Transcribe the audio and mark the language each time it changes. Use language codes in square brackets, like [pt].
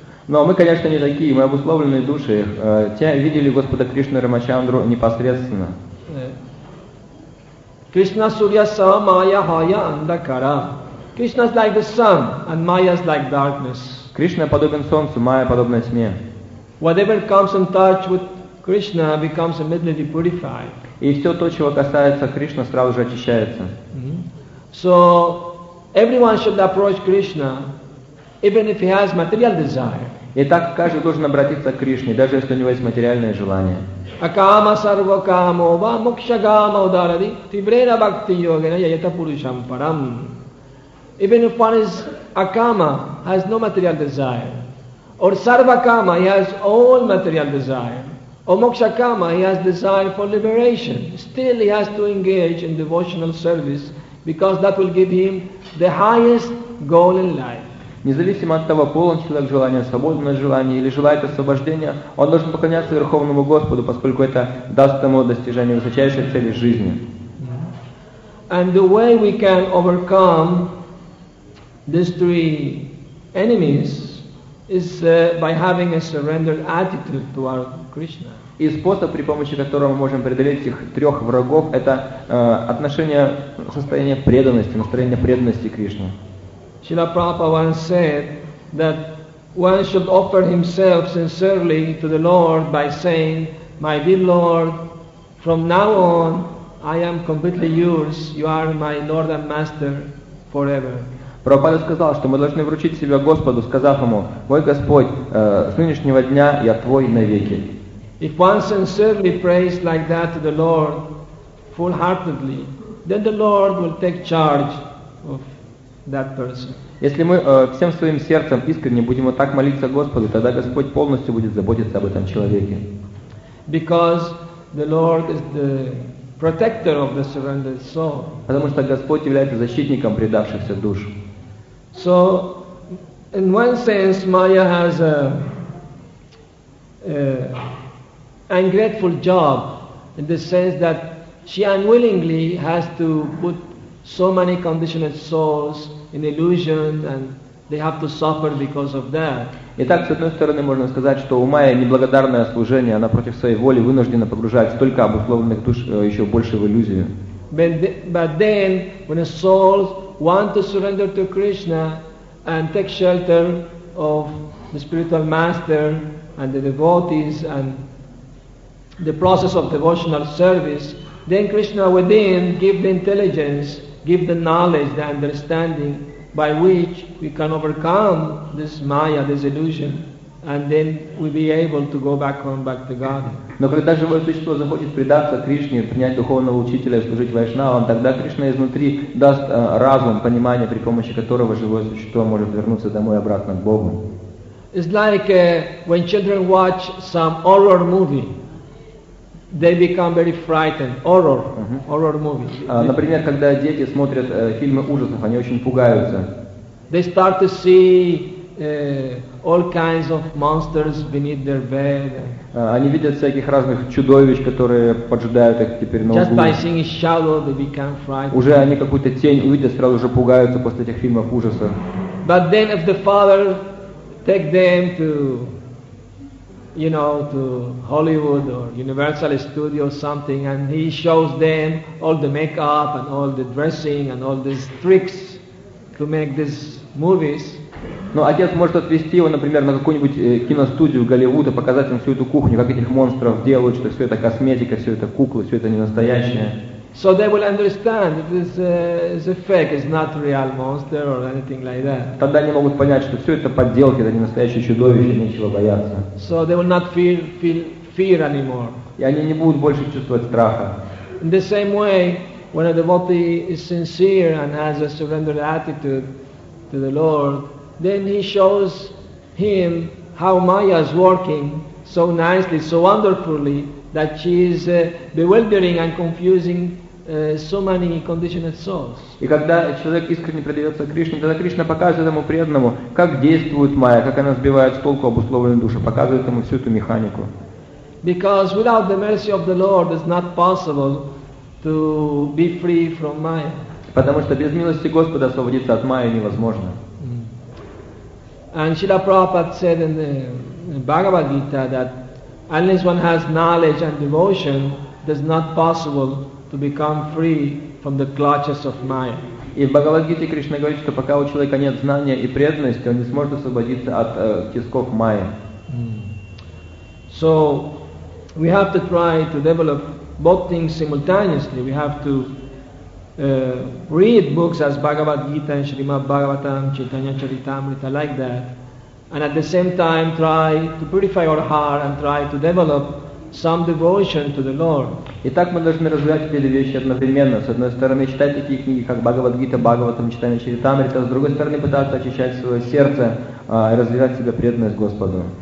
[ru] Но мы, конечно, не такие, мы обусловленные души. Те видели Господа Кришну Рамачандру непосредственно. [bn] Krishna Surya Samaya Haya Andhakara. [en] Krishna is like the sun and Maya is like darkness. [ru] Кришна подобен солнцу, Майя подобна тьме. [en] Whatever comes in touch with Krishna becomes immediately purified. [ru] И все то, чего касается Кришны, сразу же очищается. [en] So everyone should approach Krishna, even if he has material desire. [ru] Итак, каждый должен обратиться к Кришне, даже если у него есть материальное желание. [sa] Акама сарвакамо ва мукшагама ударади тибрена бхакти йогена яйата пурушам парам. [en] Even if one is akama, has no material desire, or sarvakama, he has all material desire, or mokshakama, he has desire for liberation, still he has to engage in devotional service because that will give him the highest goal in life. [ru] Независимо от того, полон человек желания, свободен от желания или желает освобождения, он должен поклоняться Верховному Господу, поскольку это даст ему достижение высочайшей цели жизни. [en] And the way we can overcome these three enemies is by having a surrendered attitude toward Krishna. [ru] И способ, при помощи которого мы можем преодолеть этих трех врагов, это отношение, состояние преданности, настроение преданности Кришне. [en] Srila Prabhupada once said that one should offer himself sincerely to the Lord by saying, "My dear Lord, from now on, I am completely yours. You are my Lord and Master forever." [ru] Прабхупада сказал, что мы должны вручить себя Господу, сказав ему: «Мой Господь, с нынешнего дня я Твой навеки». [en] If one sincerely prays like that to the Lord, full-heartedly, then the Lord will take charge of that person. [ru] Если мы всем своим сердцем искренне будем вот так молиться Господу, тогда Господь полностью будет заботиться об этом человеке. [en] Because the Lord is the protector of the surrendered soul. [ru] Потому что Господь является защитником предавшихся душ. [en] So, in one sense, Maya has an ungrateful job in the sense that she unwillingly has to put so many conditioned souls in illusion and they have to suffer because of that. [ru] Итак, с одной стороны, можно сказать, что у Майи неблагодарное служение, она против своей воли вынуждена погружать столько обусловленных душ еще больше в иллюзию. [en] But then, when a soul want to surrender to Krishna and take shelter of the spiritual master and the devotees and the process of devotional service, then Krishna within give the intelligence, give the knowledge, the understanding by which we can overcome this Maya, this illusion, and then we'll be able to go back home, back to God. [ru] Но когда живое существо захочет предаться Кришне, принять духовного учителя и служить вайшнавам, тогда Кришна изнутри даст разум, понимание, при помощи которого живое существо может вернуться домой обратно к Богу. [en] It's like when children watch some horror movie, they become very frightened. Horror, horror movie. [ru] Например, когда дети смотрят фильмы ужасов, они очень пугаются. [en] They start to see all kinds of monsters beneath their bed. [ru] Они видят всяких разных чудовищ, которые поджидают их теперь на углу. [en] Just by seeing a shadow, they become frightened. [ru] Уже они какую-то тень увидят, сразу же пугаются после этих фильмов ужасов. [en] But then, if the father take them to, you know, to Hollywood or Universal Studios something, and he shows them all the makeup and all the dressing and all these tricks to make these movies. [ru] Но отец может отвезти его, например, на какую-нибудь киностудию Голливуда, показать им всю эту кухню, как этих монстров делают, что все это косметика, все это куклы, все это не настоящее. [en] So they will understand that this is a fake, it's not real monster or anything like that. [ru] Тогда они могут понять, что все это подделки, это не настоящее чудовище, нечего бояться. [en] So they will not fear anymore. [ru] И они не будут больше чувствовать страха. [en] In the same way, when a devotee is sincere and has a surrendered attitude to the Lord, then he shows him how Maya is working so nicely, so wonderfully, that she is bewildering and confusing so many conditioned souls. [ru] И когда человек искренне предается Кришне, тогда Кришна показывает ему преданному, как действует Майя, как она сбивает с толку обусловленную душу, показывает ему всю эту механику. [en] Because without the mercy of the Lord, it's not possible to be free from Maya. [ru] Потому что без милости Господа освободиться от Майи невозможно. [en] And Srila Prabhupada said in the Bhagavad Gita that unless one has knowledge and devotion, it is not possible to become free from the clutches of Maya. [ru] И в Бхагавад-гите Кришна говорит, что пока у человека нет знания и преданности, он не сможет освободиться от тисков Майи. [en] So we have to try to develop both things simultaneously. We have to read books as Bhagavad Gita and Srimad Bhagavatam, Chaitanya Charitamrita, like that, and at the same time try to purify our heart and try to develop some devotion to the Lord. [ru] Итак, мы должны развивать эти вещи одновременно. С одной стороны, читать такие книги, как Бхагавад Гита, Бхагаватам, Чайтанья Чаритамрита, с другой стороны, пытаться очищать свое сердце и развивать в себе преданность Господу.